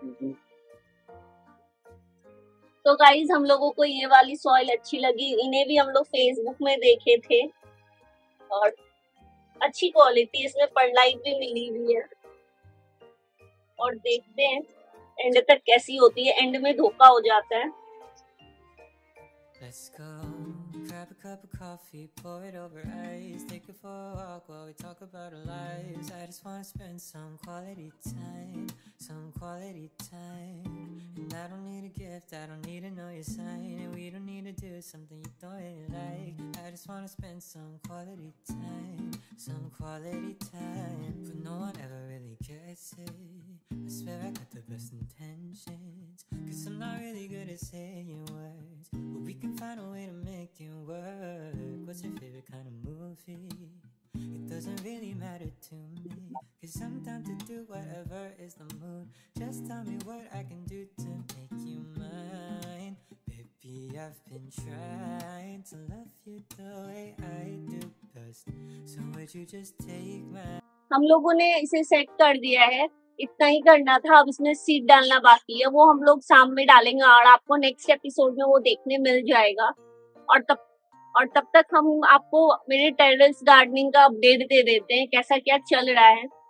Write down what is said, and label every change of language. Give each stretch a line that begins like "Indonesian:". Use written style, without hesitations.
Hindi: तो गाइस हम लोगों को ये वाली सॉइल अच्छी लगी, इन्हें भी हम लोग फेसबुक में देखे थे और अच्छी क्वालिटी इसमें परलाइट भी मिली हुई है, और देखते हैं एंड तक कैसी होती है, एंड में धोखा हो जाता है।
English: Grab a cup of coffee, pour it over ice. Take it for a walk while we talk about our lives. I just wanna spend some quality time, some quality time. And I don't need a gift, I don't need to know your sign. And we don't need to do something you don't really like. I just wanna spend some quality time, some quality time. But no one ever really gets it. I swear I got the best intentions, cause I'm not really good at saying words. But we can find a way to make it work. What's your favorite kind of movie? It doesn't really matter to me, cause I'm down to do whatever is the mood. Just tell me what I can do to make you mine. Baby, I've been trying to love you the way I do best, so would you just take my...
Hindi: हम लोगों ने इसे set कर दिया है, इतना ही करना था। अब इसमें सीड डालना बाकी है, वो हम लोग शाम में डालेंगे और आपको नेक्स्ट एपिसोड में वो देखने मिल जाएगा। और तब तक हम आपको मेरे टेरेस गार्डनिंग का अपडेट दे देते हैं, कैसा क्या चल रहा है।